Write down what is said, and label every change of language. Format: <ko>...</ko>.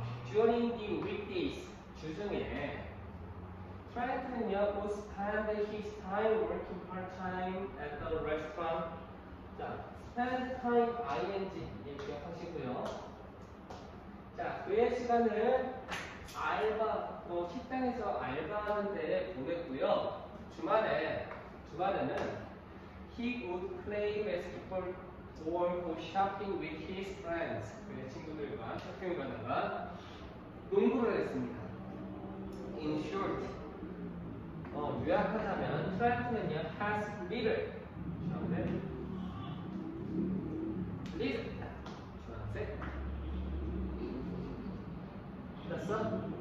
<en>During the weekdays,</en> <ko>주중에</ko> <en>Trenton would spend his time working part-time at the restaurant.</en> <ko>자, spend time ing 예, 기억하시고요. 자, 그의 시간을 알바, 뭐 식당에서 알바하는 데 보냈고요. 주말에는</ko> <en>he would play basketball or go shopping with his friends.</en> <ko>그의 친구들과 쇼핑을 가다가 농구를 했습니다.</ko> <en>In short,</en> <ko>요약하자면 트랜트는요,</ko> <en>has little</en> <ko>주황색 little 주황색 됐어?</ko>